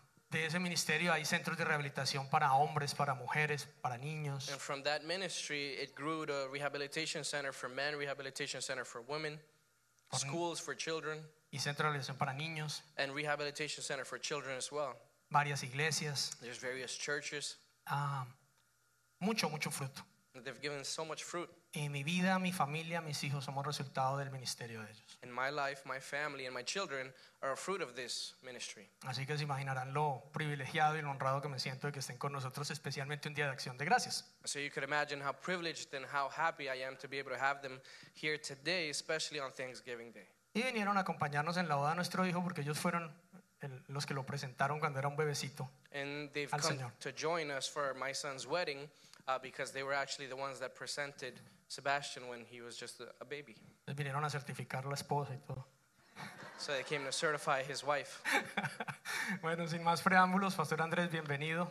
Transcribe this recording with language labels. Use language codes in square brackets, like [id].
[es] De ese ministerio hay centros de rehabilitación para hombres, para mujeres, para niños. [en] And from that ministry, it grew to a rehabilitation center for men, rehabilitation center for women, schools for children. [es] Y centro de rehabilitación para niños. [en] And rehabilitation center for children as well. [es] Varias iglesias. [en] There's various churches. [es] Mucho fruto. [en] They've given so much fruit. [es] En mi vida, mi familia, mis hijos somos resultado del ministerio de ellos. [en] In my life, my family and my children are a fruit of this ministry. [es] Así que se imaginarán lo privilegiado y lo honrado que me siento de que estén con nosotros, especialmente un día de Acción de Gracias. [en] So you could imagine how privileged and how happy I am to be able to have them here today, especially on Thanksgiving Day. [es] Y vinieron a acompañarnos en la boda de nuestro hijo porque ellos fueron los que lo presentaron cuando era un bebecito al Señor. [en] To join us for my son's wedding. Because they were actually the ones that presented Sebastian when he was just a baby. [es] Vinieron a certificar la esposa y todo. [en] So they came to certify his wife. [es] Bueno, sin más preámbulos, Pastor Andrés, bienvenido.